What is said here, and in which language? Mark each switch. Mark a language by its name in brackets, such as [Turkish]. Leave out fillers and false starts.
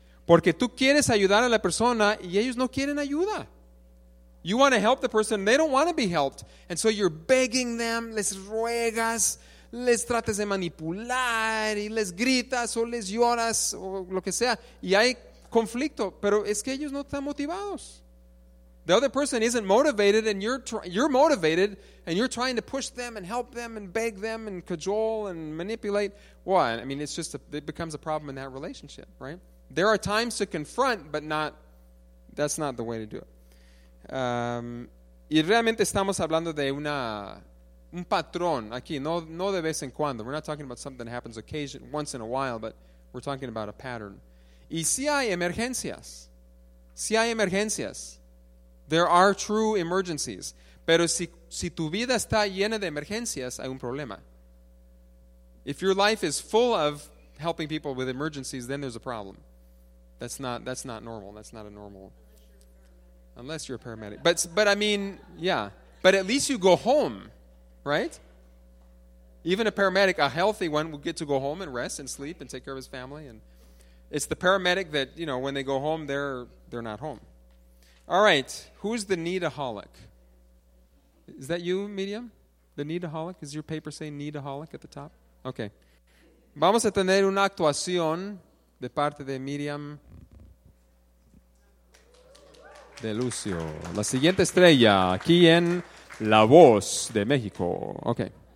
[Spanish] Porque tú quieres ayudar a la persona y ellos no quieren ayuda. [English] You want to help the person, they don't want to be helped. And so you're begging them, [Spanish] les ruegas, les tratas de manipular, y les gritas o les lloras o lo que sea. Y hay conflicto, pero es que ellos no están motivados. [English] The other person isn't motivated and you're motivated and you're trying to push them and help them and beg them and cajole and manipulate. Well, I mean, it's just, it becomes a problem in that relationship, right? There are times to confront, but that's not the way to do it. [Spanish] Y realmente estamos hablando de un patrón aquí, no de vez en cuando. [English] We're not talking about something that happens occasionally, once in a while, but we're talking about a pattern. [Spanish] Y si hay emergencias, si hay emergencias, [English] there are true emergencies. [Spanish] Pero si tu vida está llena de emergencias, hay un problema. [English] If your life is full of helping people with emergencies, then there's a problem. That's not normal. That's not a normal. Unless you're a paramedic. But I mean, yeah. But at least you go home, right? Even a paramedic, a healthy one, will get to go home and rest and sleep and take care of his family. And it's the paramedic that, you know, when they go home, they're not home. All right. Who's the needaholic? Is that you, Miriam? The needaholic? Does your paper say needaholic at the top? Okay. [Spanish] Vamos a tener una actuación de parte de Miriam de Lucio, la siguiente estrella aquí en La Voz de México. [English] Okay.